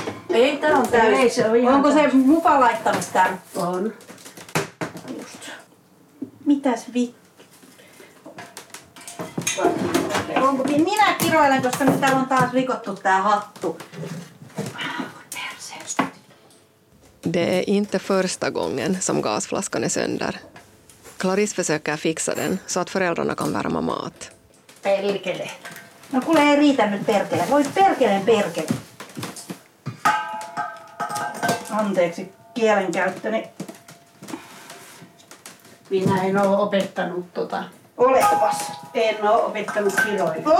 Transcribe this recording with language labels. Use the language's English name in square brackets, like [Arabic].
[Finnish] Ei, tää on täysin. On onko se mupa laittanut tän? On. Mitäs minä kiroilen, koska nyt täällä on taas rikottu tää hattu. [Swedish] Det är inte första gången som gasflaskan är sönder. Clarisse försöker fixa den så att föräldrarna kan värma mat. [Finnish] Perkele. No kuule, ei riitä nyt perkele. Voi perkele, perkele. Anteeksi kielenkäyttöni. Minä en ole opettanut tota. Oletpas. En ole opettanut kiroilla.